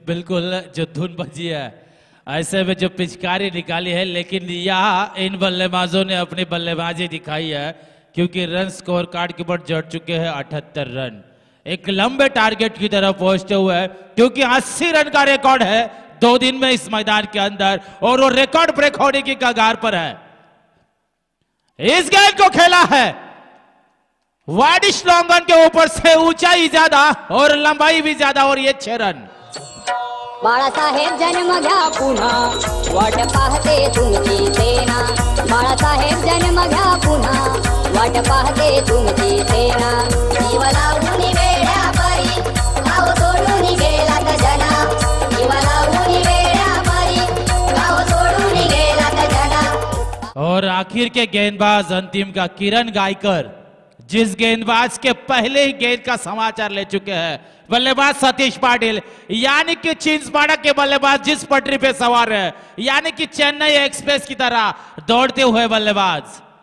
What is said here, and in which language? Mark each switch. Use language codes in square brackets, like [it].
[hi] बिल्कुल जो धुन बजी है ऐसे में जो पिचकारी निकाली है, लेकिन यहाँ इन बल्लेबाजों ने अपनी बल्लेबाजी दिखाई है क्योंकि रन स्कोर कार्ड के ऊपर जड़ चुके हैं 78 रन, एक लंबे टारगेट की तरफ पहुंचते हुए क्योंकि 80 रन का रिकॉर्ड है 2 दिन में इस मैदान के अंदर और वो रिकॉर्ड ब्रेक होने की कगार पर है। इस गेंद को खेला है वाडिश लॉन्गन के ऊपर से, ऊंचाई ज्यादा और लंबाई भी ज्यादा और ये 6 रन। [mr] बाळा साहेब जन्म घ्या पुन्हा, वाट पाहते तुमची सेना, बाळा साहेब जन्म घ्या पुन्हा, वाट पाहते तुमची सेना, जीवाला उनी वेड्या परी भाव सोडून गेला गजना, जीवाला उनी वेड्या परी भाव सोडून गेला गजना। [hi] और आखिर के गेंदबाज अंतिम का किरण गायकर जिस गेंदबाज के पहले ही गेंद का समाचार ले चुके हैं बल्लेबाज सतीश पाटिल, यानी कि चिंसपाड़ा के बल्लेबाज जिस पटरी पे सवार है, यानी कि चेन्नई एक्सप्रेस की तरह दौड़ते हुए बल्लेबाज।